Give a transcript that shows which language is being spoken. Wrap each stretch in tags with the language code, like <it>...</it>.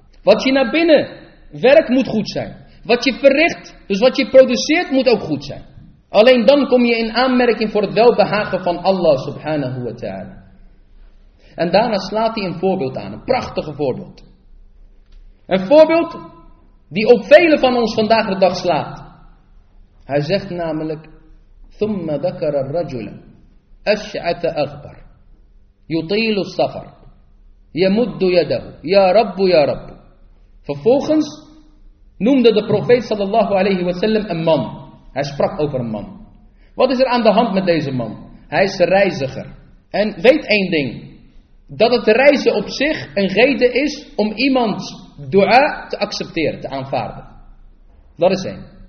<nl>Wat je naar binnen werkt moet goed zijn. Wat je verricht, dus wat je produceert, moet ook goed zijn. Alleen dan kom je in aanmerking voor het welbehagen van Allah subhanahu wa ta'ala. En daarna slaat hij een voorbeeld aan, een prachtige voorbeeld. Een voorbeeld die op velen van ons vandaag de dag slaat. Hij zegt namelijk,</nl> <ar>ثُمَّ ذَكَرَ الرَّجُلَ أَشْعَةَ أَغْبَرْ يُطِيلُ السَّفَرْ يَمُدُّ يَدَهُ يَا رَبُّ يَا رَبُّ.</ar> <nl>Vervolgens noemde de profeet sallallahu alayhi wa sallam een man. Hij sprak over een man. Wat is er aan de hand met deze man? Hij is reiziger. En weet één ding, dat het reizen op zich een reden is om iemands dua te accepteren, te aanvaarden. Dat is één.</nl>